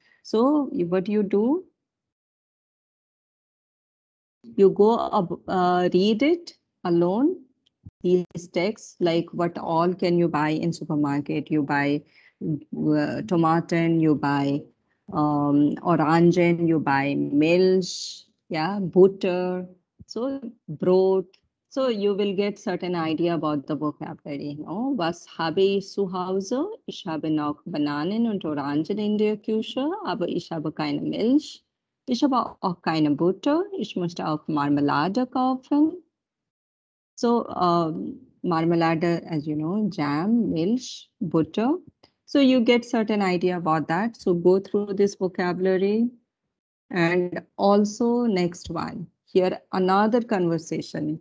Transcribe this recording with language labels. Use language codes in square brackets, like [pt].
[en] So what you do, you go read it alone, these texts, like what all can you buy in supermarket. You buy tomato, you buy orange, you buy milk, yeah, butter, so broth. So you will get certain idea about the vocabulary. [de] No? Was habe ich zu Hause? Ich habe noch Bananen und Orangen in der Küche, aber ich habe keine Milch. Ich habe auch keine Butter. Ich möchte auch Marmelade kaufen. [en] So Marmelade, as you know, jam, Milch, Butter. So you get certain idea about that. So go through this vocabulary. And also next one. Here, another conversation.